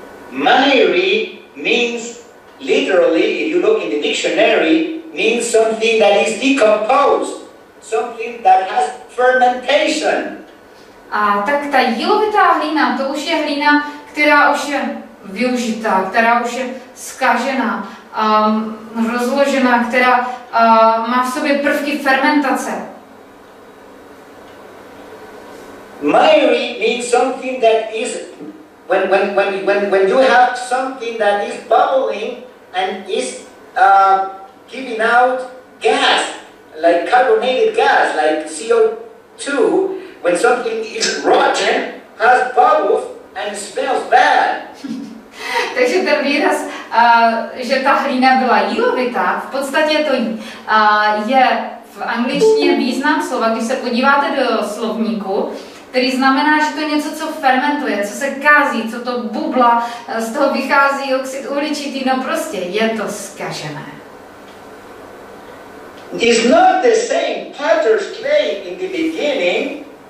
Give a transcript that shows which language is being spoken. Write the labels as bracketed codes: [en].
[en] Miry means literally, if you look in the dictionary, means something that is decomposed, something that has fermentation. [cs] A tak ta jílovitá hlína, to už je hlína, která už je využitá, která už je zkažená, rozložená, která má v sobě prvky fermentace. [en] Miry means something that is when you have something that is bubbling and is giving out gas, like carbonated gas, like CO2. When something is rotten, has bubbles and smells bad. [cs] Takže ten výraz, že ta hlína byla jílovitá, v podstatě to je v angličtině význam slova, když se podíváte do slovníku, který znamená, že to je něco, co fermentuje, co se kází, co to bubla, z toho vychází oxid uhličitý, no prostě je to zkažené. [en] It's not the same potter's clay in the beginning.